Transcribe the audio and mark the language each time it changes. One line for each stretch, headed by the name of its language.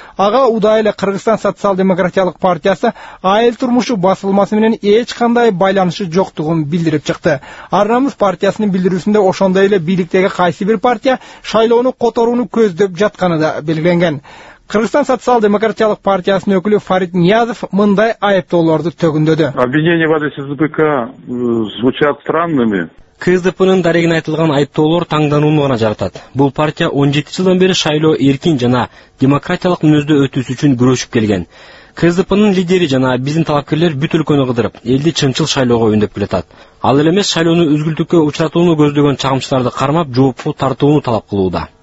Kyrgyz: Ага удай эле Кыргызстан социал-демократиялык партиясы Айыл турмушу басылмасы менен эч кандай байланышы жоктугун билдирип чыкты. Арнамыз партиясынын билдирүүсүндө ошондой эле бийликтеги кайсы бир партия шайлоону которууну көздөп жатканы да белгиленген. Кыргызстан социал-демократиялык партиясынын өкүлү Фарид Ниязов мындай айыптоолорду төгүндөдү.
Russian: Обвинения в адрес СДПК звучат странными.
Kyrgyz: КСДПнын дарегине айтылган айыптоолор таңданууну гана жаратат. Бул партия 17 жылдан бери шайлоо эркин жана демократиялык мүнөздө өтүүсү үчүн күрөшүп келген. КСДПнын лидери жана биздин талапкерлер бүт өлкөнү кыдырып, элди чынчыл шайлоого үндөп келатат. Ал эле эмес, шайлоону үзгүлтүккө учуратууну көздөгөн чагымчыларды кармап, жоопко тартууну талап кылууда,